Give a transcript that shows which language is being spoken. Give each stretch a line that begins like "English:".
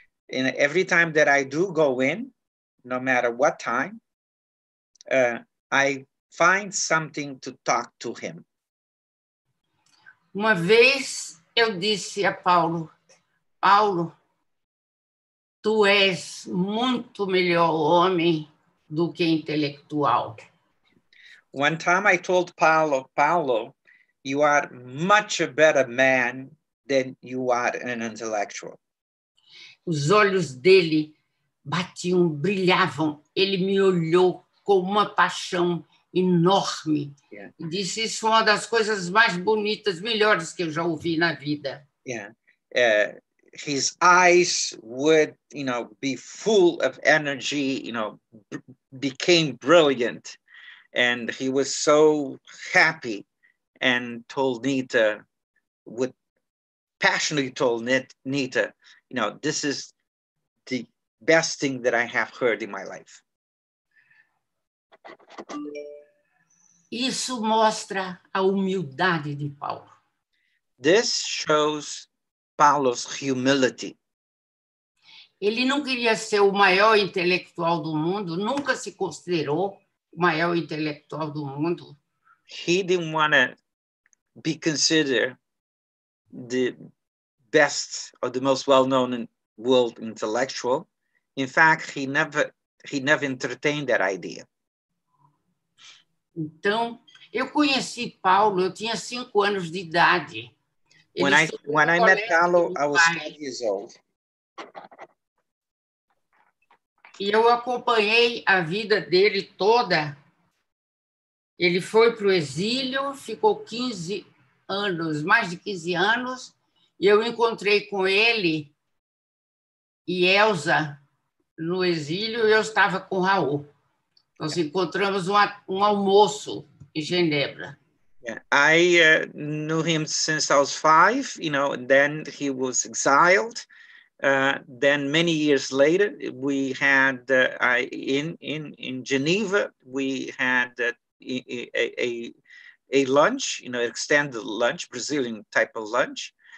English: And every time that I do go in, no matter what time, I find something to talk to him.
Portuguese: Uma vez eu disse a Paulo, Paulo, tu és muito melhor homem do que intelectual.
English: One time I told Paulo, Paulo, you are much a better man than you are an intellectual.
Portuguese: Os olhos dele batiam, brilhavam. Ele me olhou com uma paixão enorme. Yeah. Disse, isso é uma das coisas mais bonitas, melhores que eu já ouvi na vida.
English: Yeah. His eyes would, you know, be full of energy, you know, became brilliant. And he was so happy and told Nita, would passionately told Nita, you know, this is the best thing that I have heard in my life.
Portuguese: Isso mostra a humildade de Paulo.
English: This shows Paulo's humility.
Portuguese: Ele não queria ser o maior intelectual do mundo, nunca se considerou maior intelectual do mundo.
English: He didn't want to be considered the best or the most well-known world intellectual. In fact, he never entertained that idea.
Portuguese: Então, eu conheci Paulo, eu tinha 5 anos de idade.
English: When I met Paulo, I was 5 years old. E eu acompanhei a vida dele toda. Ele foi para o exílio, ficou 15 anos, mais de 15 anos, e eu encontrei com ele e Elsa no exílio, e eu estava com Raul. Nós encontramos um almoço em Genebra. Yeah. I knew him since I was 5, you know, then he was exiled. Then many years later, we had, in Geneva, we had a lunch, you know, extended lunch, Brazilian type of lunch.